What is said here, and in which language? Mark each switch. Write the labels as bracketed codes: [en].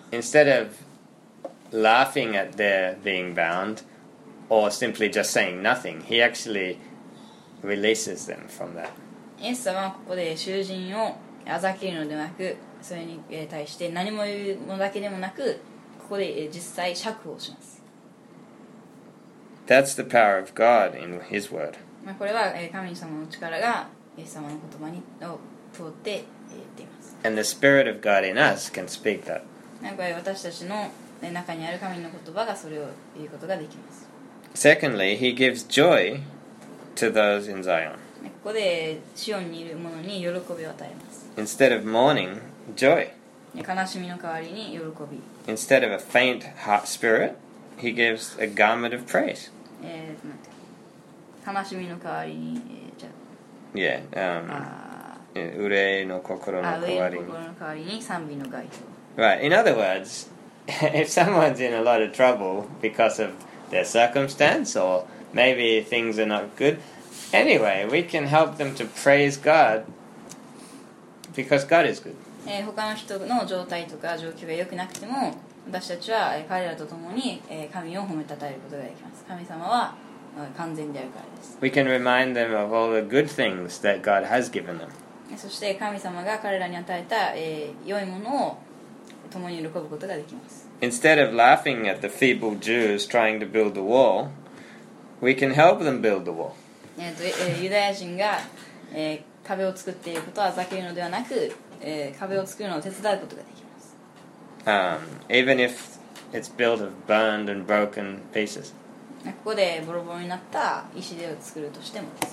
[en] Instead of laughing at their being bound, or simply just saying nothing, he actually... releases them from that. [ja] イエス様はここで囚人をあざけるのではなく、それに対して何も言うのだけでもなく、ここで実際釈放します。 [en] That's the power of God in His word. [ja] これは神様の力がイエス様の言葉にを通って言っています。 [en] And the Spirit of God in us can speak that. [ja] これ私たちの中にある神の言葉がそれを言うことができます。 [en] Secondly, He gives joy.To those in Zion. [ja] ここでシオンにいる者に喜びを与えます。 [en] Instead of mourning, joy. [ja] 悲しみの代わりに喜び。 [en] Instead of a faint heart spirit, he gives a garment of praise. [ja] 悲しみの代わりに、じゃあ。 Yeah, Ure no kokoro no kawari ni. Ure no kawari ni, sanbi no gaito. [en] Right, in other words, if someone's in a lot of trouble because of their circumstance, or maybe things are not good, anyway, we can help them to praise God, because God is good. [ja] 他の人の状態とか状況が良くなくても、私たちは彼らと共に神を褒めたたえることができます。神様は完全であるからです。 [en] We can remind them of all the good things that God has given them. [ja] そして神様が彼らに与えた良いものを共に喜ぶことができます。 [en] Instead of laughing at the feeble Jews trying to build the wall, we can help them build the wall. [ja] ユダヤ人が壁を作っていることはざけるのではなく、壁を作るのを手伝うことができます。 [en] Even if it's built of burned and broken pieces. [ja] ここでボロボロになった石で作るとしても。